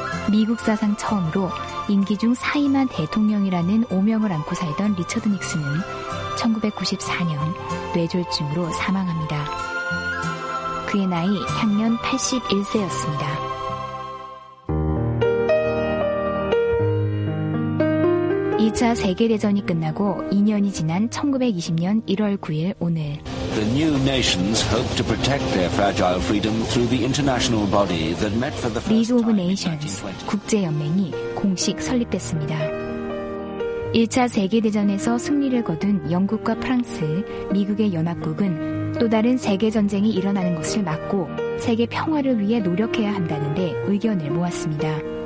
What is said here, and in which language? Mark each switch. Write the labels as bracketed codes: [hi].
[ko] 미국 사상 처음으로 임기 중 사임한 대통령이라는 오명을 안고 살던 리처드 닉슨은 1994년 뇌졸중으로 사망합니다. 그의 나이 향년 81세였습니다. 2차 세계대전이 끝나고 2년이 지난 1920년 1월 9일 오늘 [en] The new nations hope to protect their fragile freedom through the international body that met for the first [ko] League of Nations, 국제연맹이 공식 설립됐습니다. 1차 세계대전에서 승리를 거둔 영국과 프랑스, 미국의 연합국은 또 다른 세계전쟁이 일어나는 것을 막고 세계 평화를 위해 노력해야 한다는데 의견을 모았습니다.